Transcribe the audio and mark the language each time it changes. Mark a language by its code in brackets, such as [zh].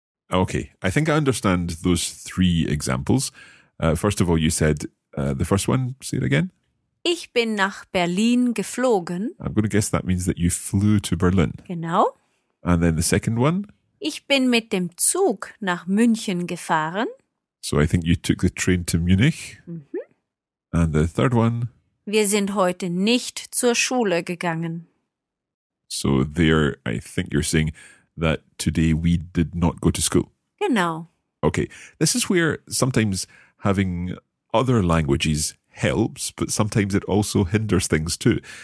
[en] Okay, I think I understand those three examples. First of all, you said the first one. Say it again. [de] Ich bin nach Berlin geflogen. [en] I'm going to guess that means that you flew to Berlin. [de] Genau. [en] And then the second one? [de] Ich bin mit dem Zug nach München gefahren. [en] So I think you took the train to Munich. Mm-hmm. And the third one? [de] Wir sind heute nicht zur Schule gegangen. [en] So there, I think you're saying that today we did not go to school. [de] Genau. [en] Okay, this is where sometimes having other languages helps, but sometimes it also hinders things too.